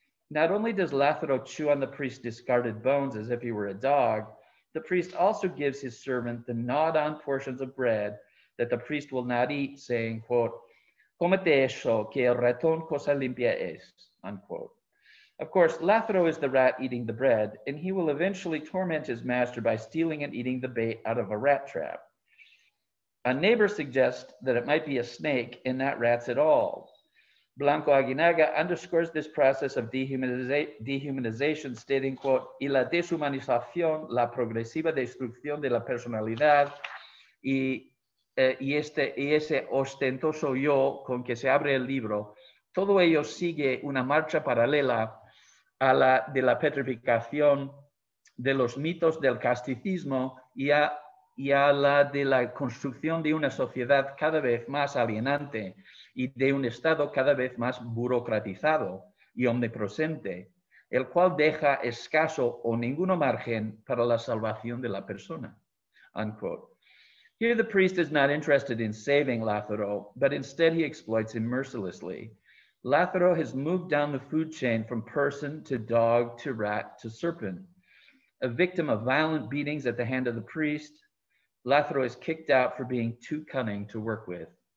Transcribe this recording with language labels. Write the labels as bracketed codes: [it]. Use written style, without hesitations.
[en] Not only does Lathro chew on the priest's discarded bones as if he were a dog, the priest also gives his servant the gnawed on portions of bread that the priest will not eat, saying, quote, [es] "Comete eso, que el ratón cosa limpia es," [en] unquote. Of course, Lathro is the rat eating the bread, and he will eventually torment his master by stealing and eating the bait out of a rat trap. A neighbor suggests that it might be a snake and not rats at all. [es] Blanco Aguinaga [en] underscores this process of dehumanization, stating, quote, [es] "Y la deshumanización, la progresiva destrucción de la personalidad y ese ostentoso yo con que se abre el libro, todo ello sigue una marcha paralela a la de la petrificación de los mitos del casticismo y a la de la construcción de una sociedad cada vez más alienante y de un Estado cada vez más burocratizado y omnipresente, el cual deja escaso o ninguno margen para la salvación de la persona," unquote. [en] Here the priest is not interested in saving Lathro, but instead he exploits him mercilessly. Lathro has moved down the food chain from person to dog to rat to serpent. A victim of violent beatings at the hand of the priest, Lathro is kicked out for being too cunning to work with.